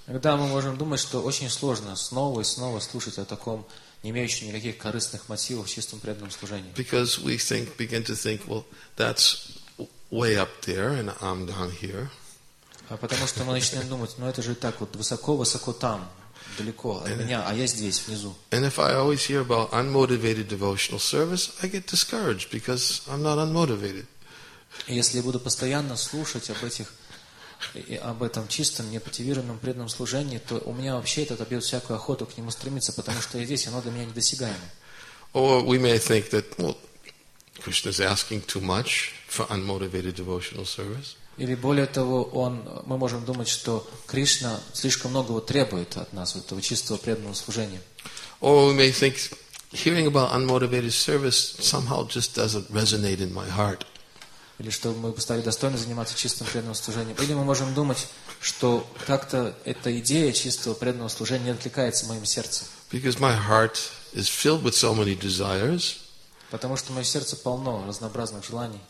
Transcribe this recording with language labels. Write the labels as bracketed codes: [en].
[ru] Иногда мы можем думать, что очень сложно снова и снова слушать о таком, не имеющем никаких корыстных мотивов, чистом преданном служении. [en] Because we begin to think, well, that's way up there, and I'm down here. [ru] Потому что мы начинаем думать, ну это же так вот высоко-высоко там, далеко от меня, а я здесь, внизу. [en] And if I always hear about unmotivated devotional service, I get discouraged because I'm not unmotivated. [ru] Если я буду постоянно слушать об этом чистом, немотивированном преданном служении, то у меня вообще это отобьет всякую охоту к нему стремиться, потому что я здесь, оно для меня недосягаемо. [en] Or we may think that, well, Krishna's asking too much for unmotivated devotional service. [ru] Или более того, мы можем думать, что Кришна слишком многого требует от нас, этого чистого преданного служения. [en] Or we may think hearing about unmotivated service somehow just doesn't resonate in my heart. [ru] Или что мы стали достойны заниматься чистым преданным служением. Или мы можем думать, что как-то эта идея чистого преданного служения не откликается в моем сердце. [en] Because my heart is filled with so many desires. [ru] Потому что мое сердце полно разнообразных желаний.